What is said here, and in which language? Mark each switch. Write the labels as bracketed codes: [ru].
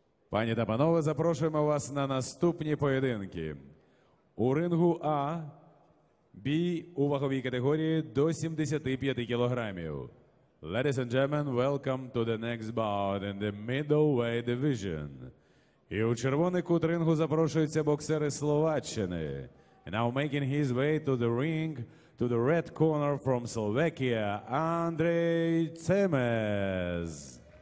[uk] Пані та панове, запрошуємо вас на наступні поєдинки. У рингу А бій у ваговій категорії до 75 кілограмів. [en] Ladies and gentlemen, welcome to the next bout in the middleweight division. [uk] І у червоний кут рингу запрошуються боксери Словаччини. [en] Now making his way to the ring, to the red corner from Slovakia, Andrei Cemes.